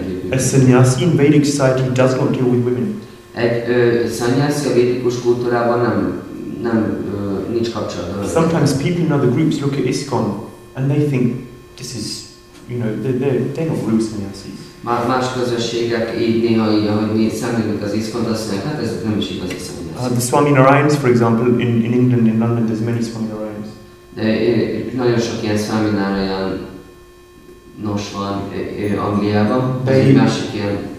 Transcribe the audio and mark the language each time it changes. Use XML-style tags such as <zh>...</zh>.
<en>A sannyasi in Vedic society does not deal with women.</en> <hu>Sannyasi a védikus kultúrában nincs kapcsolatban.</hu> <en>Sometimes people in other groups look at ISKCON and they think this is, you know, they're not real sannyasis.</en> <hu>Más közösségek így néha így, ahogy mi szemlélünk az ISKCON-t, azt mondják, hát ez nem is igazi sannyasi.</hu> <en>The Swami Narayans, for example, in England, in London, there's many Swami Narayans.</en> <hu>De nagyon sok ilyen Swami Narayan nos van Angliában, egy másik ilyen.</hu>